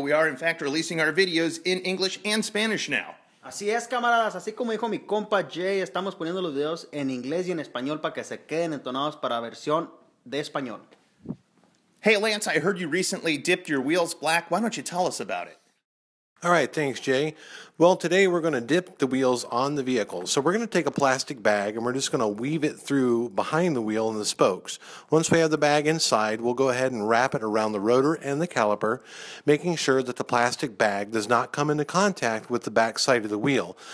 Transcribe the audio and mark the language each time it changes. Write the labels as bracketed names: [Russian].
[English] We are, in fact, releasing our videos in English and Spanish now. [Spanish] Así es, camaradas. Así como dijo mi compa Jay, estamos poniendo los videos en inglés y en español para que se queden entonados para versión de español. [English] Hey, Lance, I heard you recently dipped your wheels black. Why don't you tell us about it? All right, thanks, Jay. Well, today we're going to dip the wheels on the vehicle. So we're going to take a plastic bag and we're just going to weave it through behind the wheel and the spokes. Once we have the bag inside, we'll go ahead and wrap it around the rotor and the caliper, making sure that the plastic bag does not come into contact with the back side of the wheel.